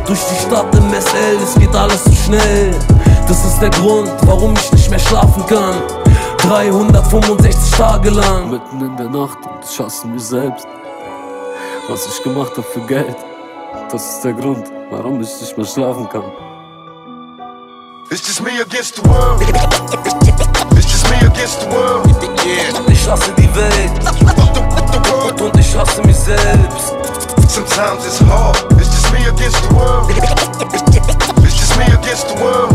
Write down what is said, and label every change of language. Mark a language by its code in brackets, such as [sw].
[de] Durch die Stadt im SL, es geht alles so schnell. Das ist der Grund, warum ich nicht mehr schlafen kann. 365 Tage lang, mitten in der Nacht und ich hasse mich selbst. Was ich gemacht hab für Geld. Das ist der Grund, warum ich nicht mehr schlafen kann. [en] It's just me against the world. It's just me against the world. [de] Und ich hasse die Welt. Und ich hasse mich selbst. [en] Sometimes it's hard. It's just me against the world. It's just me against the world.